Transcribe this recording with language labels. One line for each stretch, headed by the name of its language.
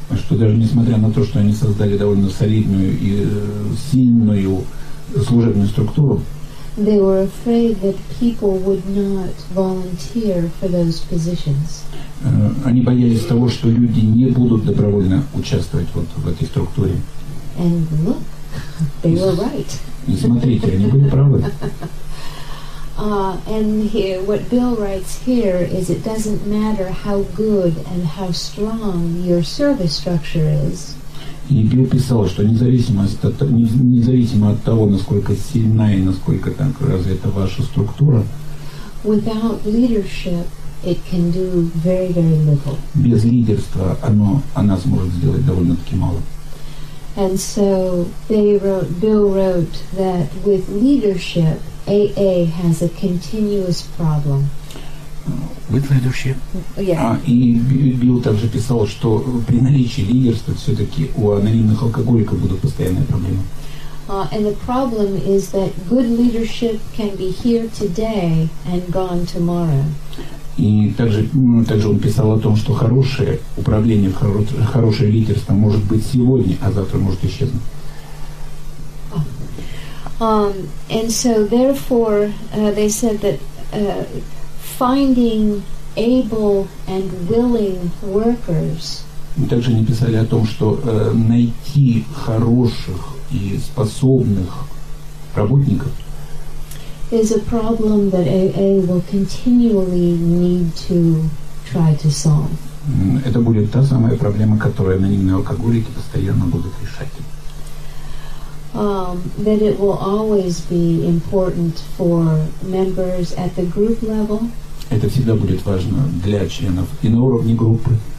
Russian: что даже несмотря на то, что они создали довольно солидную и сильную служебную структуру,
English: they were afraid that people would not volunteer for those positions.
Russian: Они боялись того, что люди не будут добровольно участвовать вот в этой структуре.
English: And look, they were right.
Russian: И смотрите, они были правы.
English: And here, what Bill writes here is, it doesn't matter how good and how strong your service structure is.
Russian: И Билл писал, что независимо от того, насколько сильна и насколько там развита ваша структура,
English: without leadership, it can do very, very little.
Russian: Без лидерства она сможет сделать довольно-таки мало.
English: And so Bill wrote that with leadership, AA has a continuous problem. With leadership? Yeah.
Russian: И Билл также писал, что при наличии лидерства все-таки у анонимных алкоголиков будут постоянные проблемы.
English: And the problem is that good leadership can be here today and gone tomorrow.
Russian: И также он писал о том, что хорошее управление, хорошее лидерство может быть сегодня, а завтра может исчезнуть.
English: And so, therefore, they said that finding able and willing workers.
Russian: Также они писали о том, что найти хороших и способных работников.
English: Is a problem that AA will continually need to try to solve.
Russian: Это будет та самая проблема, которую анонимные алкоголики постоянно будут решать.
English: That it will always be important for members at the group level.
Russian: Это всегда будет важно для членов и на уровне группы.